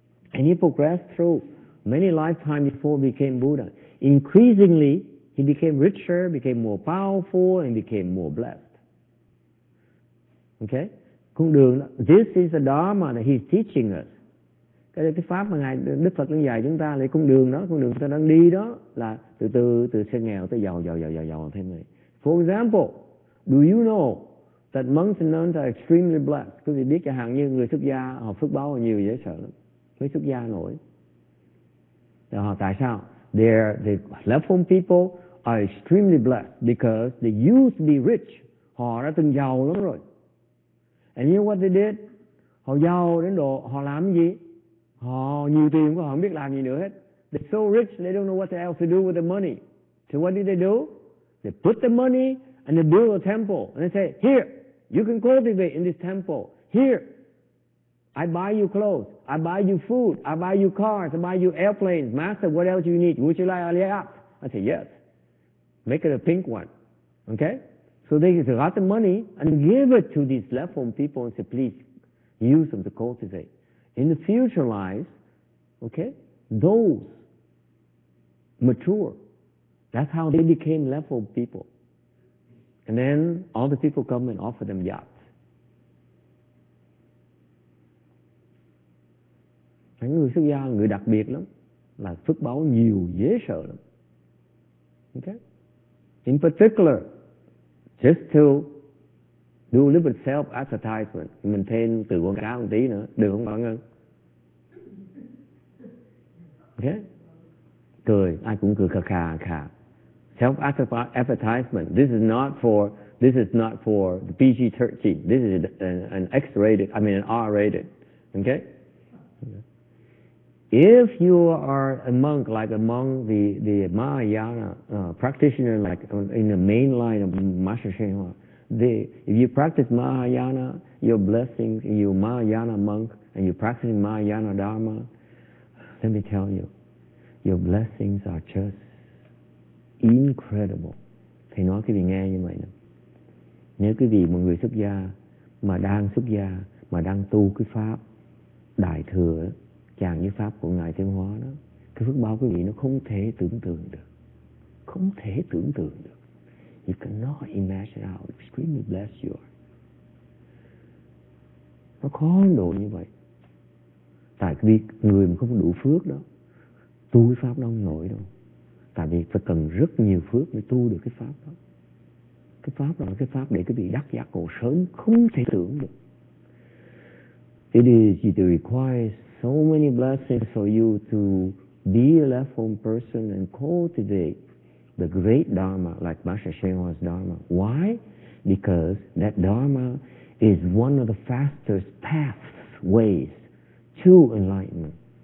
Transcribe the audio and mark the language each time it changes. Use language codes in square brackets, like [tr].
[en] And he progressed through many lifetimes before he became Buddha. Increasingly, he became richer, became more powerful, and became more blessed. Okay? [vi] Con đường đó, [en] this is the Dharma that he's teaching us. [vi] Cái pháp mà Ngài, Đức Phật đang dạy chúng ta là con đường ta đang đi đó là từ từ, từ sự nghèo tới giàu thêm này. [en] For example, do you know that monks and nuns are extremely blessed? [vi] Quý vị biết chẳng hạn như người xuất gia, họ phước báo nhiều dễ sợ lắm. Mấy xuất gia nổi. Rồi họ tại sao? [en] The left-home people are extremely blessed because they used to be rich. [vi] Họ đã từng giàu lắm rồi. [en] And you know what they did? [vi] Họ giàu đến độ họ làm gì? Họ nhiều tiền quá, họ không biết làm gì nữa hết. [en] They're so rich, they don't know what else to do with the money. So what did they do? They put the money and they build a temple. And they say, here, you can cultivate in this temple. Here, I buy you clothes. I buy you food. I buy you cars. I buy you airplanes. Master, what else you need? Would you like a layout? I say, yes. Make it a pink one. Okay? So they got the money and give it to these left-home people and say, please, use them to cultivate. In the future lives, okay, those mature. That's how they became level people. And then all the people come and offer them yachts. [vi] Những người xuất gia là người đặc biệt lắm, là phước báo nhiều dễ sợ lắm. Okay? [en] In particular, just to do a little bit self-advertisement, [vi] mình thêm từ quảng cáo một tí nữa, được không bảo ngân? Okay. Cười, ai cũng cười khà. Self-advertisement. [en] This is not for the PG-13. This is an X-rated, an R-rated. Okay? If you are a monk, like among the Mahayana practitioner, like in the main line of Master Shenhua, if you practice Mahayana, your blessings, you Mahayana monk, and you practice Mahayana Dharma, let me tell you, your blessings are just incredible. [vi] Thầy nói quý vị nghe như vậy nè. Nếu quý vị một người xuất gia mà đang xuất gia mà đang tu cái pháp đại thừa chàng như pháp của Ngài Thiên Hóa đó, cái phước báo quý vị nó không thể tưởng tượng được. Không thể tưởng tượng được. [en] You cannot imagine how extremely blessed you are. [vi] Nó khó độ như vậy. Tại vì người mà không đủ phước đó tu cái pháp đó không nổi đâu. Tại vì phải cần rất nhiều phước mới tu được cái pháp đó. Cái pháp đó là cái pháp để cái vị đắc giác ngộ sớm, không thể tưởng được. [en] It requires so many blessings for you to be a left-home person and cultivate the great Dharma like Master Shenhua's Dharma. Why? Because that Dharma is one of the fastest paths, ways to enlightenment.